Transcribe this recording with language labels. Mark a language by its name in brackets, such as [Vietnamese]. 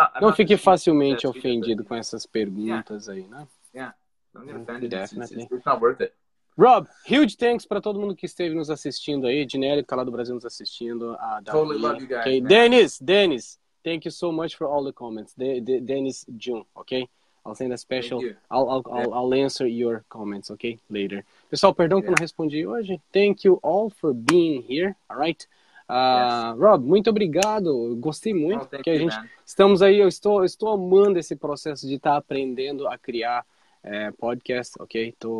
[Portuguese] não fique facilmente ofendido com essas perguntas aí, né? [English] Yeah. Don't get offended. It's not worth it. [Portuguese] Rob, [English] huge thanks [Portuguese] para todo mundo que esteve nos assistindo aí. Dinelli, que tá lá do Brasil nos assistindo. [English] Totally love you guys. Okay. Dennis. Thank you so much for all the comments. Dennis June, okay? I'll send a special... I'll answer your comments, okay? Later. [Portuguese] Pessoal, perdão que eu não respondi hoje. [English] Thank you all for being here, all right? [Portuguese] Rob, muito obrigado. Gostei muito. [English] Oh, thank you, man. [Portuguese] Estamos aí, eu estou amando esse processo de estar aprendendo a criar podcast, ok?